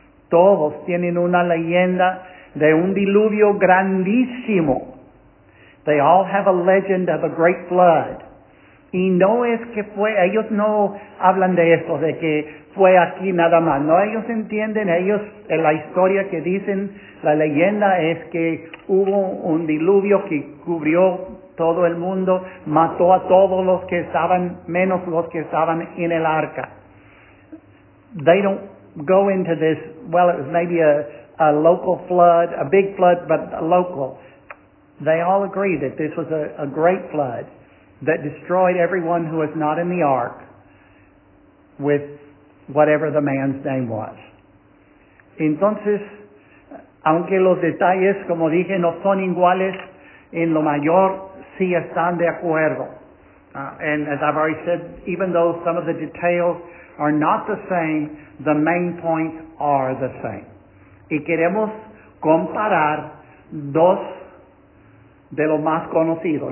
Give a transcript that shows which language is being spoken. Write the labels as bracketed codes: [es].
[es] Todos tienen una leyenda de un diluvio grandísimo. [en] They all have a legend of a great flood. [es] Y no es que fue, ellos no hablan de esto, de que fue aquí nada más. No, ellos entienden, ellos, en la historia que dicen, la leyenda es que hubo un diluvio que cubrió todo el mundo, mató a todos los que estaban, menos los que estaban en el arca. [en] They don't go into this, well, it was maybe a local flood, a big flood, but a local. They all agree that this was a great flood that destroyed everyone who was not in the ark with whatever the man's name was. [es] Entonces, aunque los detalles, como dije, no son iguales, en lo mayor sí están de acuerdo. [en] And as I've already said, even though some of the details are not the same, the main points are the same. [es] Y queremos comparar dos de los más conocidos.